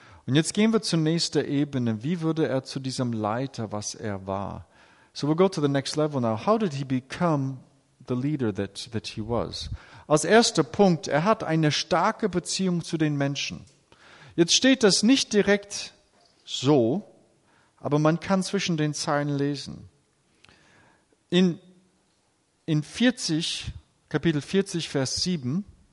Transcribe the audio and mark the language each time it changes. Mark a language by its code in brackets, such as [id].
[de] Und jetzt gehen wir zur nächsten Ebene. Wie wurde er zu diesem Leiter, was er war? [en] So we'll go to the next level now. How did he become the leader that he was? [de] Als erster Punkt, er hat eine starke Beziehung zu den Menschen. Jetzt steht das nicht direkt so, aber man kann zwischen den Zeilen lesen. In 40... Kapitel 40, Vers 7.